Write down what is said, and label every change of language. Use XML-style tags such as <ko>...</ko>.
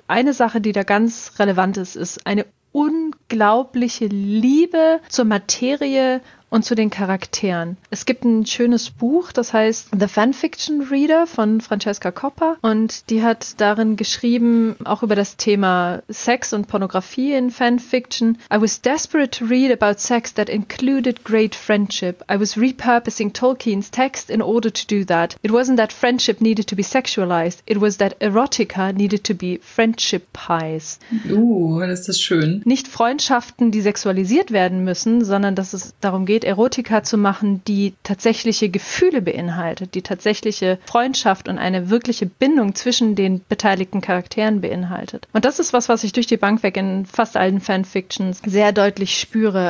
<de>Eine Sache, die da ganz relevant ist, ist eine unglaubliche Liebe zur Materie und zu den Charakteren. Es gibt ein schönes Buch, das heißt The Fanfiction Reader von Francesca Coppa. Und die hat darin geschrieben, auch über das Thema Sex und Pornografie in Fanfiction.</de> <en>I was desperate to read about sex that included great friendship. I was repurposing Tolkien's text in order to do that. It wasn't that friendship needed to be sexualized. It was that erotica needed to be friendship-ized.</en> <de>Das ist schön. Nicht Freundschaften, die sexualisiert werden müssen, sondern dass es darum geht, Erotika zu machen, die tatsächliche Gefühle beinhaltet, die tatsächliche Freundschaft und eine wirkliche Bindung zwischen den beteiligten Charakteren beinhaltet. Und das ist was ich durch die Bank weg in fast allen Fanfictions sehr deutlich spüre.</de>